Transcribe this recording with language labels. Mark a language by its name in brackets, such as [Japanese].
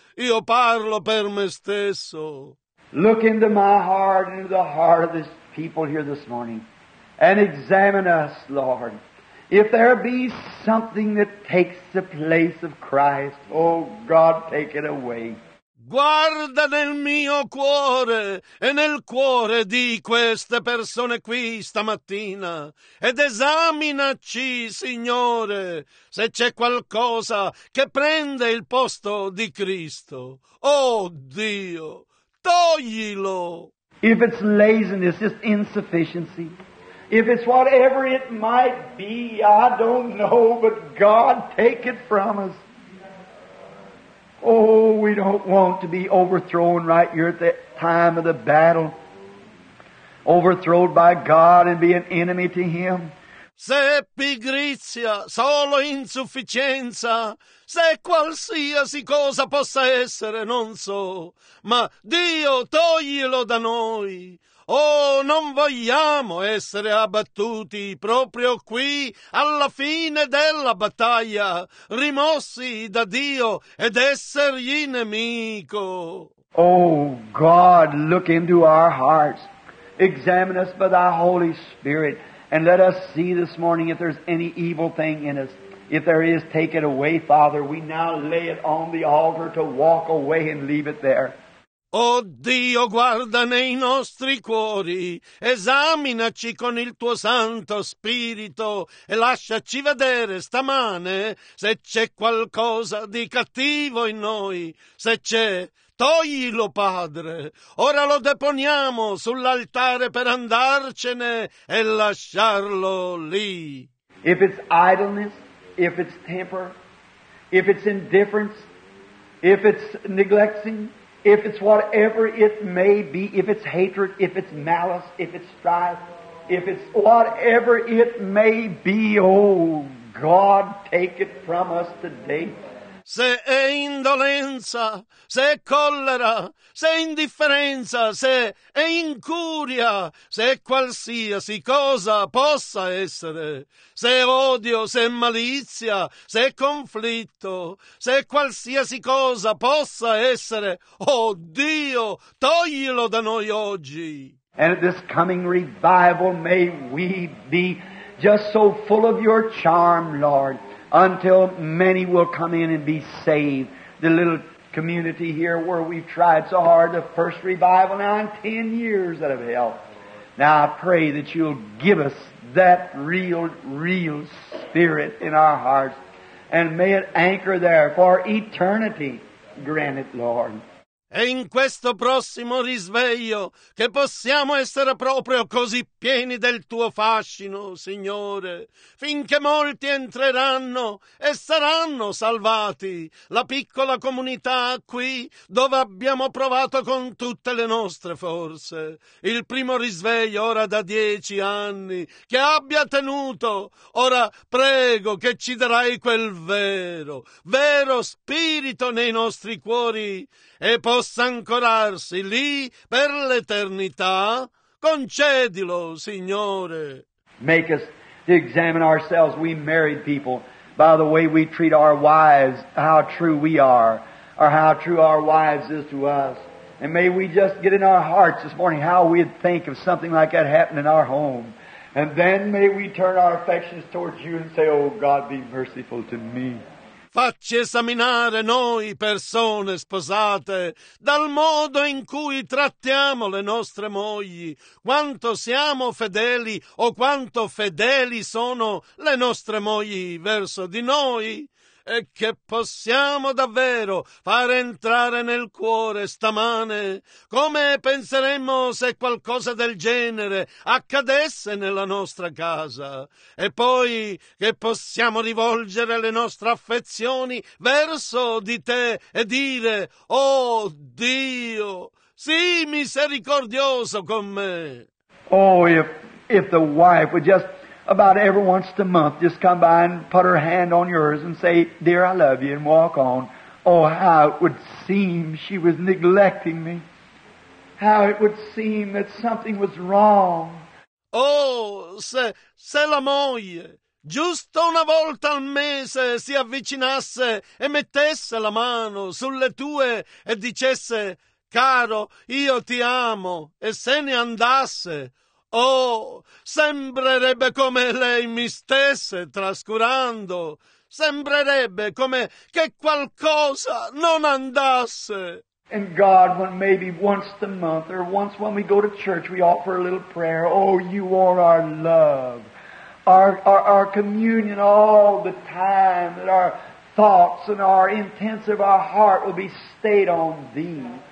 [Italian] Io parlo per me stesso. [English] Look into my heart, into the heart of this people here this morning, and examine us, Lord. If there be something that takes the place of Christ, oh God, take it away. [Italian] Guarda nel mio cuore e nel cuore di queste persone qui stamattina ed esaminaci, Signore, se c'è qualcosa che prende il posto di Cristo. Oh Dio, toglilo! [English] If it's laziness, just insufficiency, if it's whatever it might be, I don't know, but God, take it from us. Oh, we don't want to be overthrown right here at the time of the battle, overthrown by God and be an enemy to Him. [Italian] Se pigrizia, solo insufficienza, se qualsiasi cosa possa essere, non so, ma Dio, toglilo da noi. Oh, non vogliamo essere abbattuti proprio qui, alla fine della battaglia, rimossi da Dio ed essergli nemico. [English] Oh, God, look into our hearts. Examine us by thy Holy Spirit and let us see this morning if there's any evil thing in us. If there is, take it away, Father. We now lay it on the altar to walk away and leave it there. [Italian] Oh Dio, guarda nei nostri cuori, esaminaci con il tuo Santo Spirito e lasciaci vedere stamane se c'è qualcosa di cattivo in noi. Se c'è, toglilo, Padre. Ora lo deponiamo sull'altare per andarcene e lasciarlo lì. [English] If it's idleness, if it's temper, if it's indifference, if it's neglecting, if it's whatever it may be, if it's hatred, if it's malice, if it's strife, if it's whatever it may be, oh God, take it from us today. [Italian] Se è indolenza, se è collera, se è indifferenza, se è incuria, se è qualsiasi cosa possa essere, se è odio, se è malizia, se è conflitto, se è qualsiasi cosa possa essere, oh Dio, toglilo da noi oggi. [English] And at this coming revival may we be just so full of your charm, Lord, until many will come in and be saved. The little community here where we've tried so hard, the first revival now in 10 years that have helped. Now I pray that you'll give us that real, real spirit in our hearts and may it anchor there for eternity. Grant it, Lord. [Italian] E in questo prossimo risveglio che possiamo essere proprio così pieni del tuo fascino, Signore, finché molti entreranno e saranno salvati, la piccola comunità qui dove abbiamo provato con tutte le nostre forze, il primo risveglio ora da 10 anni che abbia tenuto, ora prego che ci darai quel vero, vero spirito nei nostri cuori e possa ancorarsi lì per l'eternità. Concedilo, Signore. [English] Make us to examine ourselves, we married people, by the way we treat our wives, how true we are, or how true our wives is to us, And may we just get in our hearts this morning how we'd think of something like that happening in our home. And then may we turn our affections towards you and say, oh God, be merciful to me. [Italian] Facci esaminare noi persone sposate dal modo in cui trattiamo le nostre mogli, quanto siamo fedeli o quanto fedeli sono le nostre mogli verso di noi, e che possiamo davvero far entrare nel cuore stamane, come penseremmo se qualcosa del genere accadesse nella nostra casa, e poi che possiamo rivolgere le nostre affezioni verso di te e dire, oh Dio, sii misericordioso con me. [English] Oh, if the wife would just about every once a month just come by and put her hand on yours and say, dear, I love you, and walk on. Oh, how it would seem she was neglecting me. How it would seem that something was wrong. [Italian] Oh, se la moglie giusto una volta al mese si avvicinasse e mettesse la mano sulle tue e dicesse, caro, io ti amo, e se ne andasse, oh, sembrerebbe come lei mi stesse trascurando. Sembrerebbe come che qualcosa non andasse. [English] And God, when maybe once a month or once when we go to church, we offer a little prayer. Oh, you are our love, our communion all the time, that our thoughts and our intents of our heart will be stayed on thee.